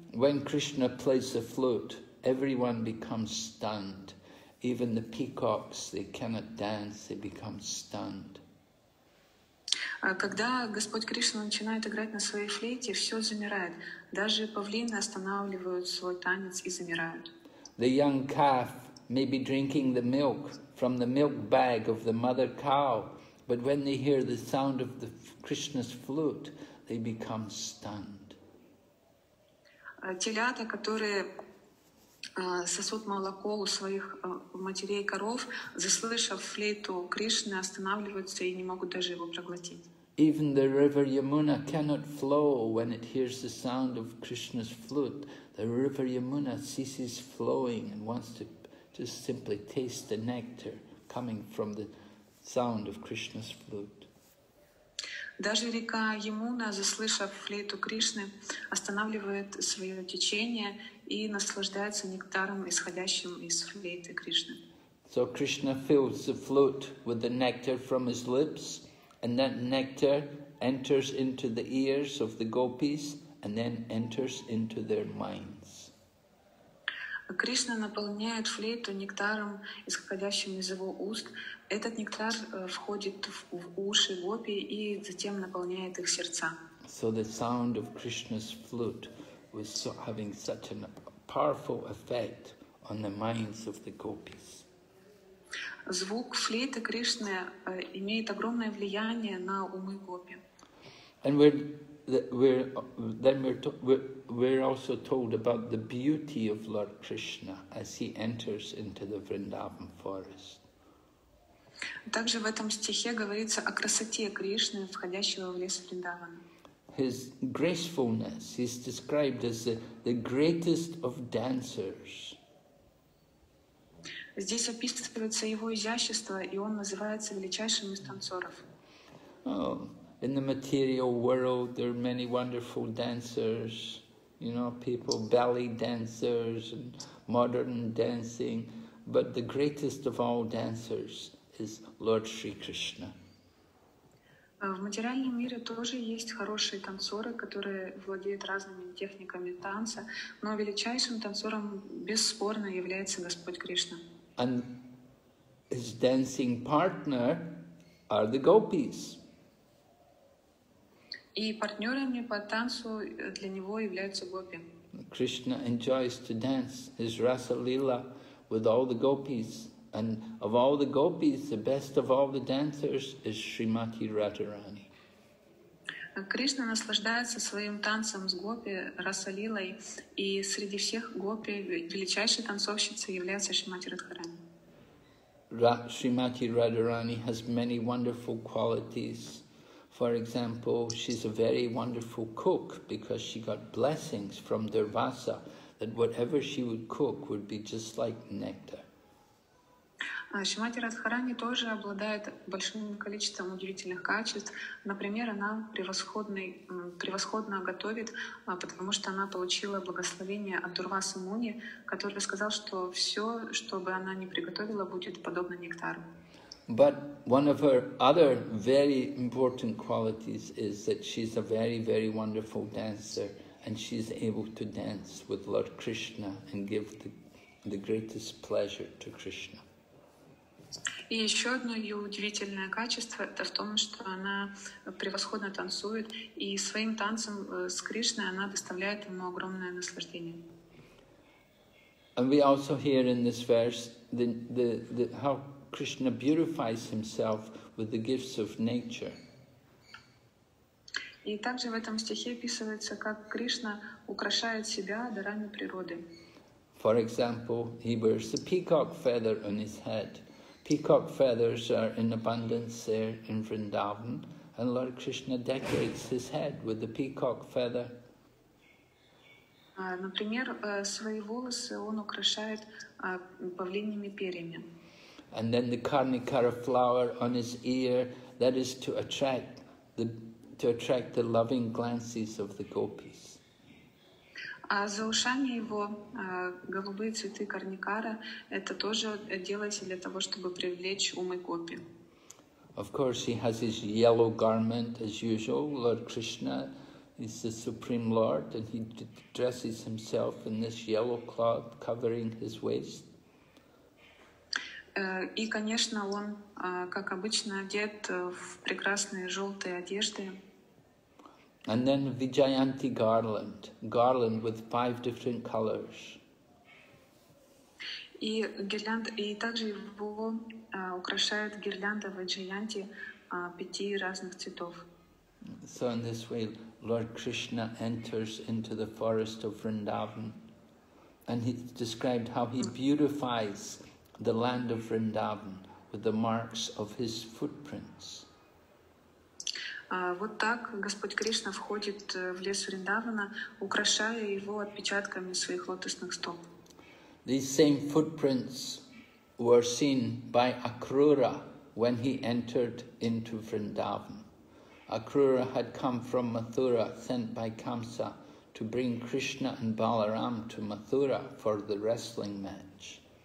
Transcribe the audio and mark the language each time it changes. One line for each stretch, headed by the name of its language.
English: When Krishna plays the flute, everyone becomes stunned. Even the peacocks, they cannot dance, they become stunned.
Russian: Когда Господь Кришна начинает играть на своей флейте, все замирает. Даже павлины останавливают свой танец и замирают.
English: The young calf may be drinking the milk from the milk bag of the mother cow, but when they hear the sound of the Krishna's flute, they become stunned.
Russian: Телята, которые сосут молоко у своих матерей коров, заслышав флейту Кришны, останавливаются и не могут даже его проглотить.
English: Even the river Yamuna cannot flow when it hears the sound of Krishna's flute. The river Yamuna ceases flowing and wants to just simply taste the nectar coming from the sound of Krishna's flute.
Russian: Даже река Ямуна, заслышав флейту Кришны, останавливает свое течение и наслаждается нектаром, исходящим из флейты Кришны.
English: So Krishna fills the flute with the nectar from his lips. And that nectar enters into the ears of the gopis and then enters into their minds.
Russian: Krishna наполняет флейту нектаром, исходящим из его уст. Этот нектар входит в уши гопи и затем наполняет их сердца.
English: So the sound of Krishna's flute was having such a powerful effect on the minds of the gopis.
Russian: Звук флейты Кришны имеет огромное влияние на умы гопи.
English: And we're also told about the beauty of Lord Krishna as he enters into the Vrindavan forest.
Russian: Также в этом стихе говорится о красоте Кришны, входящего в лес Вриндавана.
English: His gracefulness is described as the greatest of dancers.
Russian: Здесь описывается его изящество, и он называется величайшим из танцоров.
English: In the material world, there are many wonderful dancers, you know, people, belly dancers and modern dancing, but the greatest of all dancers is Lord Sri Krishna.
Russian: В материальном мире тоже есть хорошие танцоры, которые владеют разными техниками танца, но величайшим танцором бесспорно является Господь Кришна.
English: And his dancing partner are the gopis.
Russian: И партнерами по танцу для него являются гопи.
English: Krishna enjoys to dance his rasa lila with all the gopis, and of all the gopis, the best of all the dancers is Srimati Radharani.
Russian: Кришна наслаждается своим танцем с гопи Расалилой, и среди всех гопи величайшей танцовщицей является Шримати Радхарани.
English: Шримати Радхарани has many wonderful qualities. For example, she's a very wonderful cook because she got blessings from Durvasa that whatever she would cook would be just like nectar.
Russian: Шримати Радхарани тоже обладает большим количеством удивительных качеств. Например, она превосходно готовит, потому что она получила благословение от Дурвасы Муни, который сказал, что все, что бы она ни приготовила, будет подобно нектару.
English: But one of her other very important qualities is that she's a very, very wonderful dancer, and she's able to dance with Lord Krishna and give the greatest pleasure to Krishna.
Russian: И еще одно ее удивительное качество – это в том, что она превосходно танцует, и своим танцем с Кришной она доставляет ему огромное наслаждение.
English: And we also hear in this verse the how Krishna beautifies himself with the gifts of nature.
Russian: И также в этом стихе описывается, как Кришна украшает себя дарами природы.
English: For example, he wears a peacock feather on his head. Peacock feathers are in abundance there in Vrindavan, and Lord Krishna decorates his head with the peacock feather.
Russian: Например, свои волосы он украшает павлиньими перьями.
English: And then the Karnikara flower on his ear, that is to attract the loving glances of the gopis.
Russian: А за ушами его голубые цветы карникара – это тоже делается для того, чтобы привлечь умы гопи.
English: Of course, he has his yellow garment as usual. Lord Krishna is the supreme lord, and he dresses himself in this yellow cloth, covering his waist.
Russian: И, конечно, он, как обычно, одет в прекрасные желтые одежды.
English: And then Vijayanti garland with five different colors.
Russian: И гирлянда, и также его украшают гирлянда Vijayanti пяти разных цветов.
English: So in this way, Lord Krishna enters into the forest of Vrindavan, and he described how he beautifies the land of Vrindavan with the marks of his footprints.
Russian: Вот так Господь Кришна входит в лес Вриндавана, украшая его отпечатками своих лотосных стоп.
English: These same footprints were seen by Akrura when he entered into Vrindavan. Akrura had come from Mathura, sent by Kamsa to bring Krishna and Balaram to Mathura for the wrestling match.